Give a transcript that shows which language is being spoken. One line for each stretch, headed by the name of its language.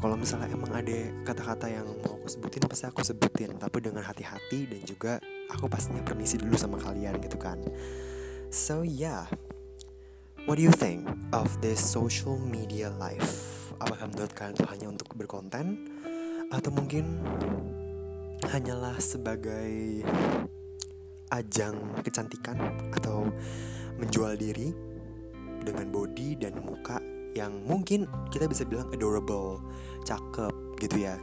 Indonesian: Kalau misalnya emang ada kata-kata yang mau aku sebutin, pasti aku sebutin, tapi dengan hati-hati dan juga aku pastinya permisi dulu sama kalian gitu kan.
English: So yeah, what do you think of this social media life?
Indonesian: apakah menurut kalian itu hanya untuk berkonten atau mungkin hanyalah sebagai ajang kecantikan atau menjual diri dengan body dan muka yang mungkin kita bisa bilang adorable, cakep gitu ya.